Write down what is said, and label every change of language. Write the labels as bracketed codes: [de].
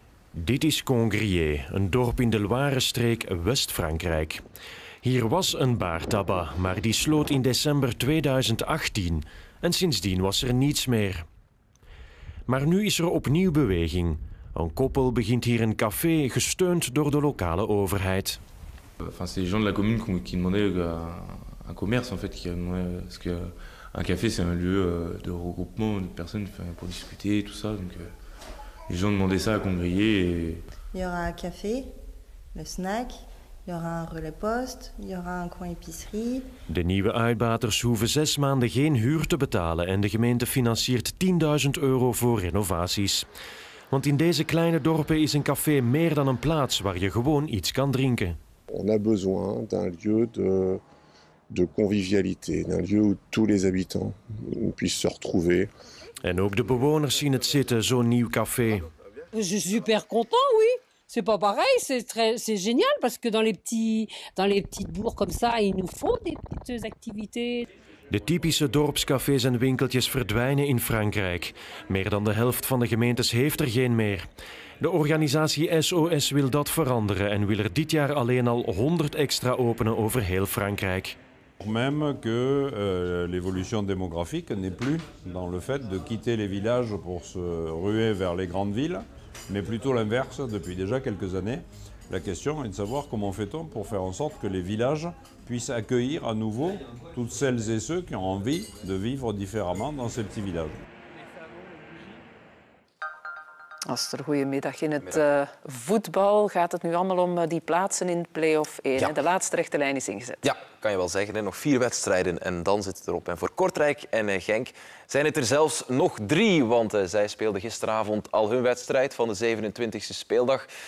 [nl] Dit is Congrier, een dorp in de Loire-streek West-Frankrijk. Hier was een bar tabac, maar die sloot in december 2018 en sindsdien was er niets meer. Maar nu is er opnieuw beweging. Een koppel begint hier een café, gesteund door de lokale overheid. [fr] Enfin, c'est les gens de la commune qui demandaient un commerce en fait, qui demandaient parce que un café c'est un lieu de regroupement de personnes pour discuter tout ça donc. Les gens demandaient ça à Congrier. Il y aura un café, le snack, il y aura un relais poste, il y aura un coin épicerie. [nl] De nieuwe uitbaters hoeven 6 maanden geen huur te betalen en de gemeente financiert 10.000 euro voor renovaties. Want in deze kleine dorpen is een café meer dan een plaats waar je gewoon iets kan drinken. [fr] On a besoin d'un lieu de convivialité, d'un lieu où tous les habitants puissent se retrouver. [nl] En ook de bewoners zien het zitten, zo'n nieuw café. [fr] Je suis super content, oui. C'est pas pareil, c'est génial parce que dans les petites bourgs comme ça, il nous faut des petites activités. [nl] De typische dorpscafés en winkeltjes verdwijnen in Frankrijk. Meer dan de helft van de gemeentes heeft er geen meer. De organisatie SOS wil dat veranderen en wil er dit jaar alleen al 100 extra openen over heel Frankrijk. [fr] Même que l'évolution démographique n'est plus dans le fait de quitter les villages pour se ruer vers les grandes villes, mais plutôt l'inverse depuis déjà quelques années. La question est de savoir comment fait-on pour faire en sorte que les villages puissent accueillir à nouveau toutes celles et ceux qui ont envie de vivre différemment dans ces petits villages. [nl] Als er goedemiddag in het voetbal gaat het nu allemaal om die plaatsen in play-off 1. Ja. De laatste rechte lijn is ingezet. Ja, kan je wel zeggen. Hè. Nog 4 wedstrijden en dan zit het erop. En voor Kortrijk en Genk zijn het er zelfs nog 3. Want zij speelden gisteravond al hun wedstrijd van de 27e speeldag.